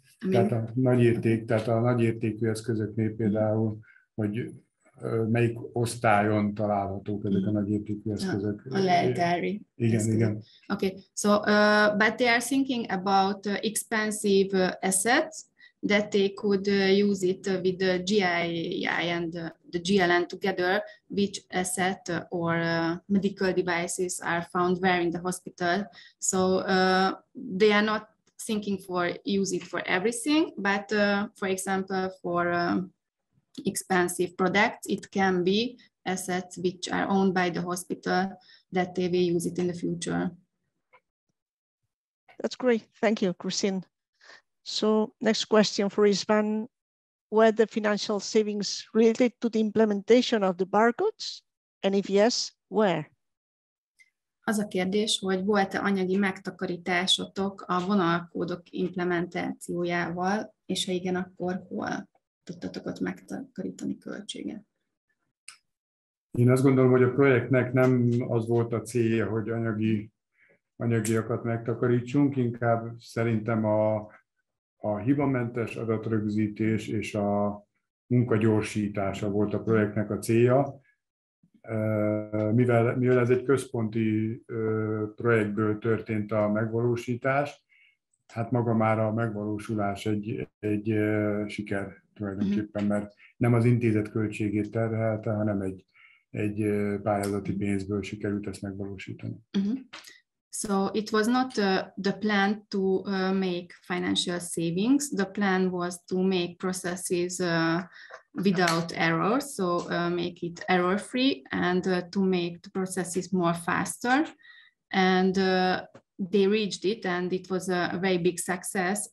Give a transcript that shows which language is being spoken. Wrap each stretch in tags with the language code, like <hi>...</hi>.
<hu>Tehát a nagy érték, tehát a nagy értékű eszközöknél például, hogy melyik osztályon találhatók ezek a nagy értékű eszközök? A lehetári. Igen.</hu> <en>Okay, so, but they are thinking about expensive assets that they could use it with the GII and the GLN together, which asset or medical devices are found where in the hospital. So they are not thinking for use it for everything, but for example, for expensive products, it can be assets which are owned by the hospital that they will use it in the future. That's great. Thank you, Christine. So next question for István, were the financial savings related to the implementation of the barcodes? And if yes, where?</en> <hu>Az a kérdés, hogy volt-e anyagi megtakarításotok a vonalkódok implementációjával, és ha igen, akkor hol tudtatok ott megtakarítani költséget? Én azt gondolom, hogy a projektnek nem az volt a célja, hogy anyagiakat megtakarítsunk, inkább szerintem a hibamentes adatrögzítés és a munka gyorsítása volt a projektnek a célja. Mivel ez egy központi projektből történt a megvalósítás, hát maga már a megvalósulás egy siker tulajdonképpen, mert nem az intézet költségét terhelte, hanem egy pályázati pénzből sikerült ezt megvalósítani. Uh-huh.</hu> <en>So it was not the plan to make financial savings. The plan was to make processes without errors, so make it error-free and to make the processes more faster. And they reached it, and it was a very big success.</en>